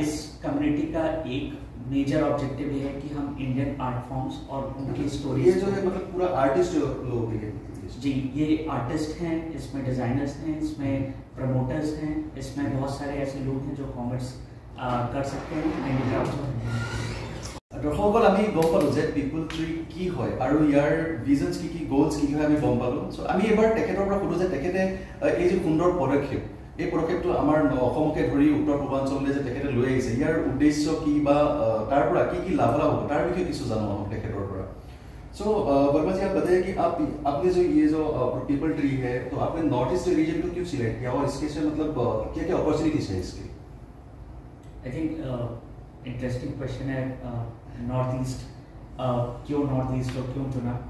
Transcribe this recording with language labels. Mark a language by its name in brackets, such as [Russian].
[Hindi] इस कम्युनिटी का एक मेजर ऑब्जेक्टिव ये है कि हम इंडियन आर्ट फॉर्म्स और उनकी स्टोरी जो है, मतलब पूरा आर्टिस्ट लोग हैं जी, ये आर्टिस्ट हैं, इसमें डिज़ाइनर्स हैं, इसमें प्रमोटर्स हैं, इसमें बहुत सारे ऐसे लोग हैं जो कॉमर्स कर सकते हैं, हैंडीक्राफ्ट हैं। [Assamese] দৰ্শকসকল, আমি গম পালোঁ যে পিপল ট্ৰী কি হয় আৰু ইয়াৰ ভিজনছ কি কি, গ'লছ কি কি হয় আমি গম পালোঁ। চ' আমি এবাৰ তেখেতৰ পৰা সোধোঁ যে তেখেতে এই যে সুন্দৰ পদক্ষেপ, এই পদক্ষেপটো আমাৰ অসমকে ধৰি উত্তৰ পূৰ্বাঞ্চললৈ যে তেখেতে লৈ আহিছে, ইয়াৰ উদ্দেশ্য কি বা তাৰ পৰা কি কি লাভ লাভ হ'ব তাৰ বিষয়ে কিছু জানো আহক তেখেতৰ পৰা। [Hindi] सो वर्मा जी, आप बताइए कि आप आपने जो ये जो पीपल ट्री है तो आपने नॉर्थ ईस्ट रीजन को क्यों सिलेक्ट किया और इसके से मतलब क्या क्या अपॉर्चुनिटीज है इसके? आई थिंक इंटरेस्टिंग क्वेश्चन है। नॉर्थ ईस्ट क्यों, नॉर्थ ईस्ट और क्यों चुना?